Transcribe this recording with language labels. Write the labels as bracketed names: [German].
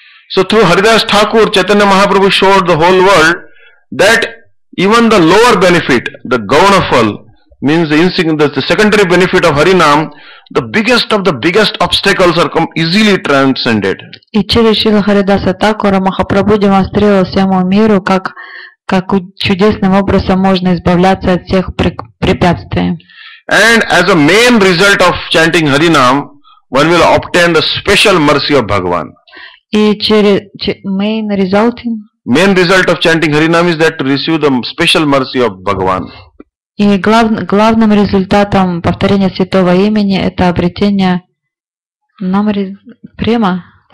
[English] So through Haridas Thakur, Chaitanya Mahaprabhu showed the whole world that even the lower benefit, the Gauna phal, means the secondary benefit of Harinam, the biggest of the biggest obstacles are come easily transcended. [Russian] И через Шрилу Харидаса Такура Махапрабху демонстрировал всему миру, как чудесным образом можно избавляться от всех препятствий. [English] And as a main result of chanting Harinam, one will obtain the special mercy of Bhagavan. [Russian] И [English] main result of chanting Harinam is that to receive the special mercy of Bhagavan. [Russian] И главным результатом повторения святого имени это обретение нам према.